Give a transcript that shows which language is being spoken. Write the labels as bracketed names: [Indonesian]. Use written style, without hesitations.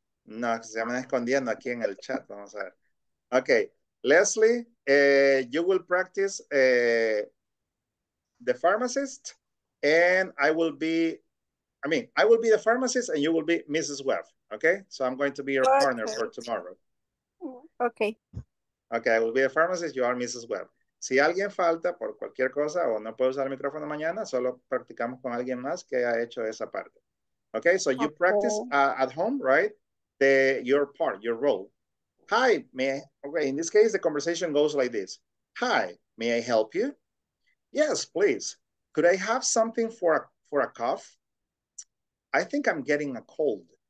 [Spanish] No, se me está escondiendo aquí en el chat, vamos a ver. [English] Okay, Leslie, you will practice the pharmacist, and I will be the pharmacist, and you will be Mrs. Webb, okay? So I'm going to be your partner for tomorrow. Okay. Okay, I will be the pharmacist, you are Mrs. Webb. [Spanish] Si alguien falta por cualquier cosa o no puede usar el micrófono mañana, solo practicamos con alguien más que ha hecho esa parte. [English] Okay, so you practice at home, right? Your part, your role. Hi, in this case, the conversation goes like this. Hi, may I help you? Yes, please. Could I have something for a cough? I think I'm getting a cold.